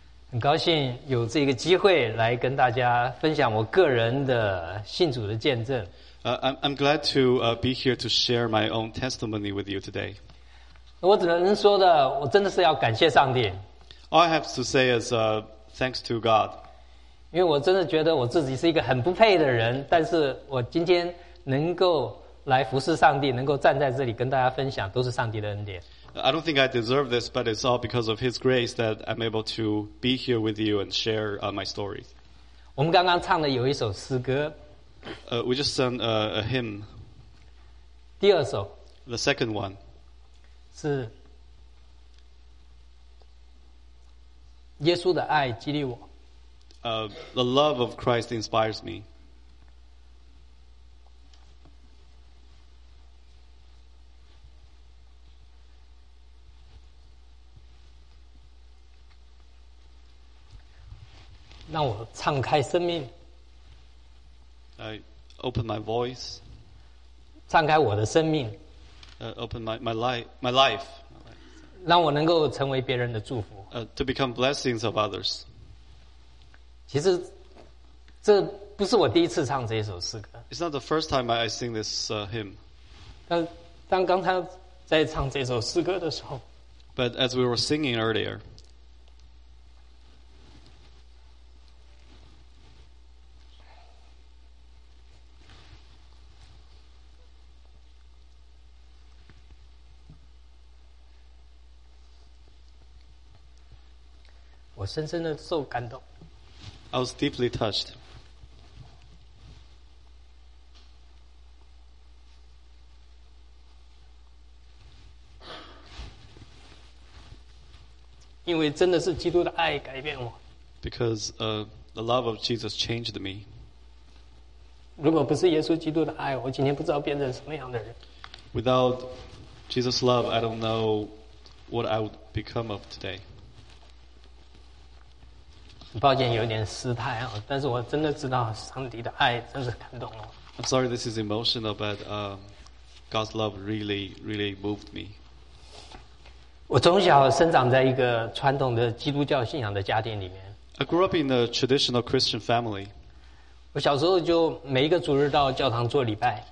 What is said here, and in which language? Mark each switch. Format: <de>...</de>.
<zh>很高兴有这个机会来跟大家分享我个人的信主的见证。</zh> <en>I'm glad to be here to share my own testimony with you today.</en> <zh>我只能说的，我真的是要感谢上帝。</zh> <en>All I have to say is thanks to God.</en> <zh>因为我真的觉得我自己是一个很不配的人，但是我今天能够来服侍上帝，能够站在这里跟大家分享，都是上帝的恩典。</zh> <en>I don't think I deserve this, but it's all because of His grace that I'm able to be here with you and share my story.</en> <zh>我们刚刚唱了有一首诗歌。</zh> <en>We just sang a hymn.</en> <zh>第二首。</zh> <en>The second one.</en> <zh>是耶稣的爱激励我。</zh> <en>The love of Christ inspires me.</en> <zh>让我敞开生命。</zh> <en>I open my voice.</en> <zh>敞开我的生命。</zh> <en>Open my life.</en> <zh>让我能够成为别人的祝福。</zh> <en>To become blessings of others.</en> <zh>其实这不是我第一次唱这首诗歌。</zh> <en>It's not the first time I sing this hymn.</en> <zh>但刚才在唱这首诗歌的时候。</zh> <en>But as we were singing earlier.</en> <zh>我深深的受感动。</zh> <en>I was deeply touched.</en> <zh>因为真的是基督的爱改变我。</zh> <en>Because the love of Jesus changed me.</en> <zh>如果不是耶稣基督的爱，我今天不知道变成什么样的人。</zh> <en>Without Jesus' love, I don't know what I would become of today.</en> <zh>抱歉有点失态、啊、但是我真的知道上帝的爱真是感动了。</zh> <en>I'm sorry this is emotional, but God's love really, really moved me.</en> <zh>我从小生长在一个传统的基督教信仰的家庭里面。</zh> <en>I grew up in a traditional Christian family.</en> <zh>我小时候就每一个主日到教堂做礼拜。</zh>